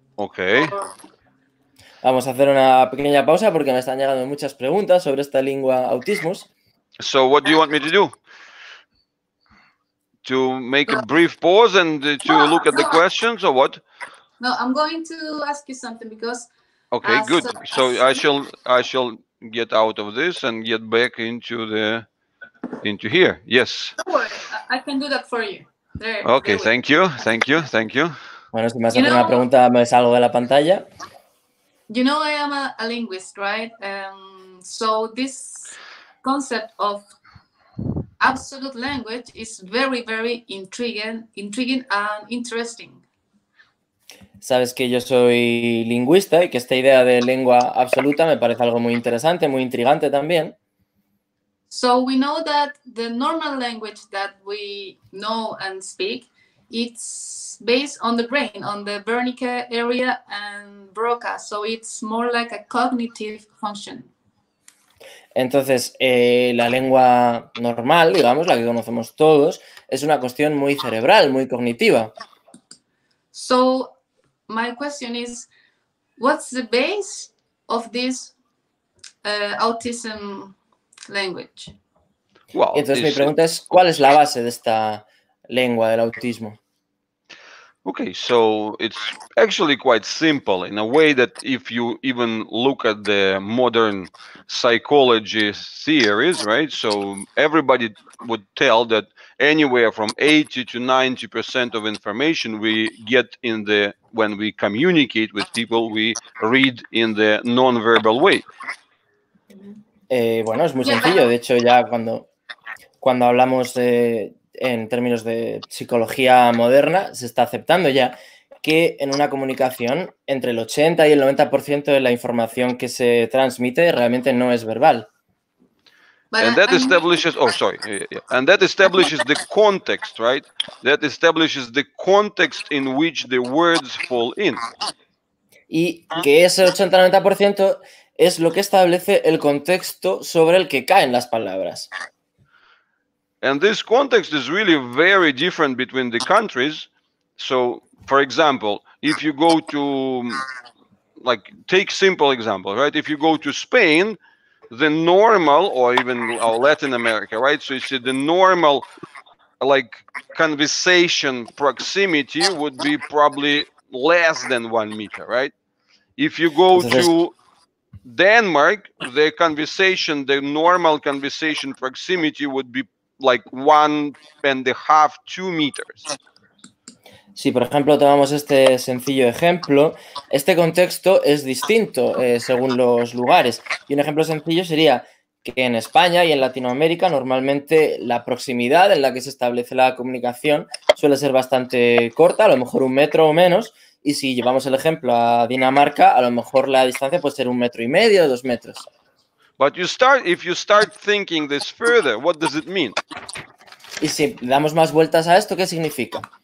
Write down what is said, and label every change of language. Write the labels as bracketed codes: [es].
[en] Okay. [es] Vamos a hacer una pequeña pausa porque me están llegando muchas preguntas sobre esta lingua autismus. [en] So what do you want me to do? To make a brief pause and to look at the questions or what? No, I'm going to ask you something because... Okay, good. So I shall get out of this and get back into here. Yes. Don't worry, I can do that for you. There, okay, thank you. [es] Bueno, si me hacen una pregunta, me salgo de la pantalla. [en] You know, I am a linguist, right? So this concept of absolute language is very, very intriguing and interesting. [es] Sabes que yo soy lingüista y que esta idea de lengua absoluta me parece algo muy interesante, muy intrigante también. [en] So we know that the normal language that we know and speak, it's based on the brain, on the Wernicke area and Broca, so it's more like a cognitive function. [es] Entonces, la lengua normal, digamos, la que conocemos todos, es una cuestión muy cerebral, muy cognitiva. [en] So my question is, what's the base of this autism language? [es] Well, entonces mi pregunta es, ¿cuál es la base de esta lengua del autismo? [en] Okay, so it's actually quite simple in a way that if you even look at the modern psychology theories, right? So everybody would tell that anywhere from 80 to 90% of information we get in the when we communicate with people, we read in the non-verbal way. [es] Bueno, es muy sencillo. De hecho, ya cuando hablamos en términos de psicología moderna, se está aceptando ya que en una comunicación entre el 80 y el 90% de la información que se transmite realmente no es verbal. [en] And that establishes, and that establishes the context, right? That establishes the context in which the words fall in. [es] Y que ese 80-90% es lo que establece el contexto sobre el que caen las palabras. [en] And this context is really very different between the countries. So, for example, if you go to, like, take simple example, right? If you go to Spain, the normal, or even Latin America, right? So you see, the normal, like, conversation proximity would be probably less than 1 meter, right? If you go to Denmark, the conversation, the normal conversation proximity would be like 1.5-2 meters. [es] Si, por ejemplo, tomamos este sencillo ejemplo, este contexto es distinto según los lugares. Y un ejemplo sencillo sería que en España y en Latinoamérica normalmente la proximidad en la que se establece la comunicación suele ser bastante corta, a lo mejor 1 metro o menos. Y si llevamos el ejemplo a Dinamarca, a lo mejor la distancia puede ser 1 metro y medio, 2 metros. [en] But you start, if you start thinking this further, what does it mean? [es] Y si damos más vueltas a esto, ¿qué significa?